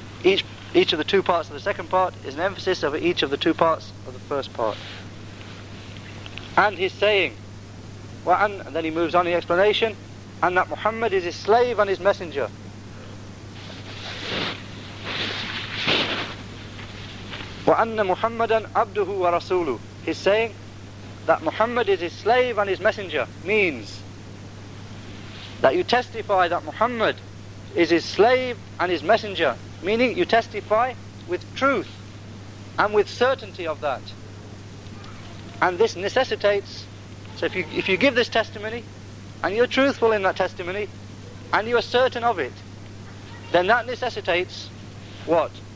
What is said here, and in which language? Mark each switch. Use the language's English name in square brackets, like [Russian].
[English] Each of the two parts of the second part is an emphasis over each of the two parts of the first part. And he's saying, and then he moves on in the explanation, and that Muhammad is his slave and his messenger. [Arabic] وَأَنَّ مُحَمَّدًا عَبْدُهُ وَرَسُولُهُ. [English] He's saying that Muhammad is his slave and his messenger means that you testify that Muhammad is his slave and his messenger, meaning you testify with truth and with certainty of that. And this necessitates, so if you give this testimony and you're truthful in that testimony and you're certain of it, then that necessitates what?